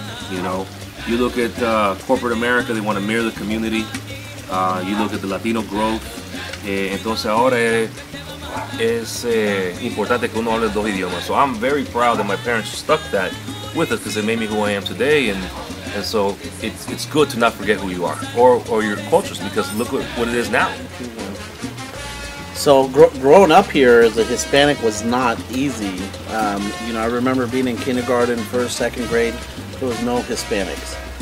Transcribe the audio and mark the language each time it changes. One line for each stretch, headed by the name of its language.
English: You know, you look at corporate America, they want to mirror the community. You look at the Latino growth.
Spanish: Entonces ahora es importante que uno hable dos idiomas.
English: So I'm very proud that my parents stuck that with us because it made me who I am today. And so it's good to not forget who you are or your cultures, because look what it is now. So growing up here as a Hispanic was not easy. You know, I remember being in kindergarten, first, second grade, there was no Hispanics.